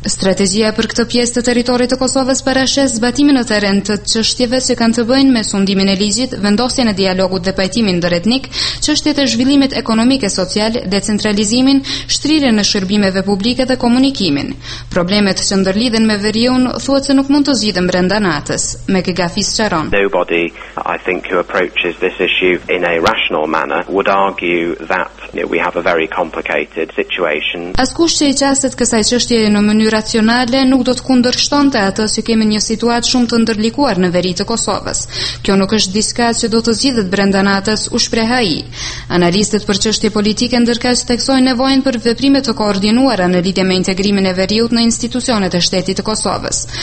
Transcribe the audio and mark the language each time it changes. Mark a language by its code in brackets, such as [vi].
[sq] Strategjia për këtë pjesë të territorit të Kosovës parashes zbatimin në terren të çështjeve që kanë të bëjnë me sundimin e ligjit, vendosjen e dialogut dhe pajtimin ndëretnik, çështjet e zhvillimit ekonomik e social, decentralizimin, shtrirjen e shërbimeve publike dhe komunikimin. Problemet që ndërlidhen me veriun thuhet se nuk mund të zgjidhen brenda NATO-s, me Gafis Sharon. [en] Nobody, I think, who approaches this issue in a rational manner would argue that we have a very complicated situation. [sq] Askush që i qaset kësaj çështje në mënyrë racionale nuk do të kundërshtonte atë se kemi një situatë shumë të ndërlikuar në veri të Kosovës. Kjo nuk është diçka që do të zgjidhet brenda NATO-s, u shpreh ai. Analistët për çështje politike ndërkaq theksojnë nevojën për veprime të koordinuara në lidhje me integrimin e veriut në institucionet e shtetit të Kosovës.